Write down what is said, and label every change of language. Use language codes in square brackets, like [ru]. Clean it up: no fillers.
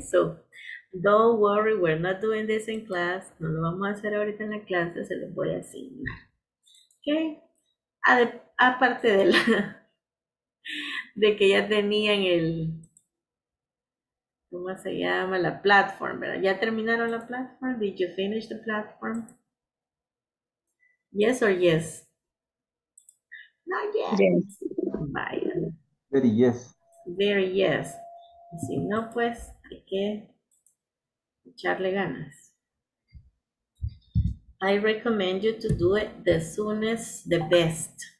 [en] So, don't worry, we're not doing this in class. [es] No lo vamos a hacer ahorita en la clase, se los voy a asignar, okay? Aparte de la... de que ya tenían el... ¿Cómo se llama? La platform, ¿verdad? ¿Ya terminaron la platform? [en] Did you finish the platform? Yes or yes? Not yet. Yes. [es] Vaya. [en] Very yes. Very yes. [es] Y si no, pues, hay que echarle ganas. [en] I recommend you to do it the soonest, the best.